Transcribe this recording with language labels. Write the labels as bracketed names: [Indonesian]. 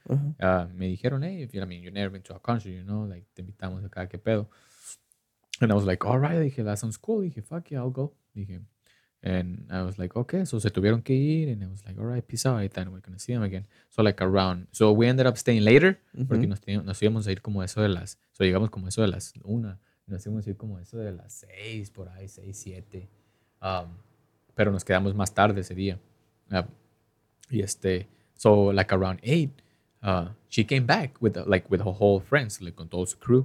[Spanish] Mm-hmm. Me dijeron, [English] hey, you never been to a concert, you know, like, [Spanish] te invitamos acá, qué pedo. [English] And I was like, all right. [Spanish] Dije, [English] that sounds cool. Dije, fuck yeah, I'll go. Dije, And I was like, okay, so [Spanish] se tuvieron que ir. [English] And I was like, all right, peace out. I thought we're going to see them again. So like around, so we ended up staying later. Mm-hmm. [Spanish] Porque nos íbamos a ir como eso de las, so llegamos como eso de las una. Nos íbamos a ir como eso de las seis, por ahí, seis, siete. Pero nos quedamos más tarde ese día. Y este, [English] so like around eight, she came back with like with her whole friends, like [Spanish] con todo su crew.